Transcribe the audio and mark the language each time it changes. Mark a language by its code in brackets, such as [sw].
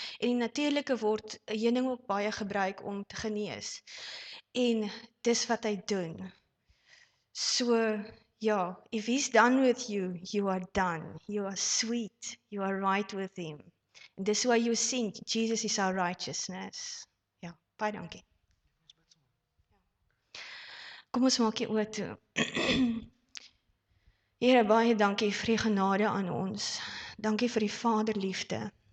[af] En die natuurlike word heuning ook baie gebruik om te genees. En dis wat hy doen. [en] So, ja, if he's done with you, you are done. You are sweet. You are right with him. And this is why you see Jesus is our righteousness. [af] Ja, baie dankie. Kom ons maak hier oor toe. Here, baie dankie vir die genade aan ons. Dankie vir die vaderliefde.